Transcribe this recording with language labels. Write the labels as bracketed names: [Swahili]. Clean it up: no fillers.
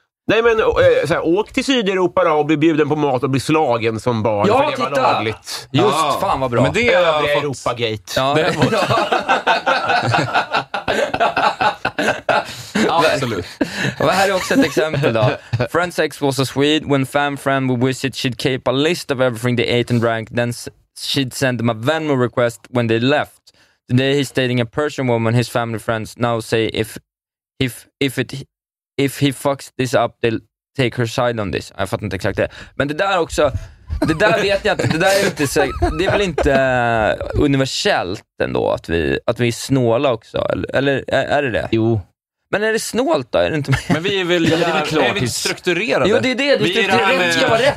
[Swedish] Nej, men så här, åk till Sydeuropa då och bli bjuden på mat och bli slagen som barn. Ja, för titta! Det var just, ja. Fan vad bra. Men det är fått... Europa-gate. Ja, det är absolut. Och här är också ett exempel då. [English] Friends ex was a Swede. When fam friend would visit, she'd keep a list of everything they ate and drank. Then she'd send them a Venmo request when they left. Today he's dating a Persian woman. His family friends now say if he fucks this up, they'll take her side on this. [Swedish] Jag fattar inte exakt det. Men det där också, det där vet jag inte. Det där är inte så, det är väl inte universellt ändå att vi är snåla också. Eller är det det? Jo. Men är det snålt då? Är det inte mer? Men vi är väl jävligt strukturerade. Jo, det är det. Det är rätt, ska vara rätt.